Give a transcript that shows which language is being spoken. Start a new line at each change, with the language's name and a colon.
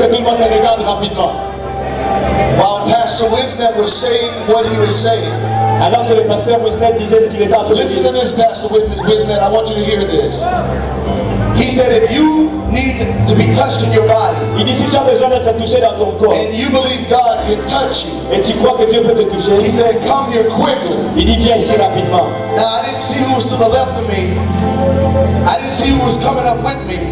English: While Pastor Wisnett was saying what he was saying,
French: alors que le pasteur Wisnett disait ce qu'il était en train de dire.
English: Listen to this, Pastor Wisnett. I want you to hear this. He said, if you need to be touched in your body,
French: il dit si tu as besoin d'être touché dans ton corps,
English: and you believe God can touch you,
French: et tu crois que Dieu peut te toucher,
English: he said, come here quickly.
French: Il dit viens ici rapidement.
English: Now I didn't see who was to the left of me. I didn't see who was coming up with me.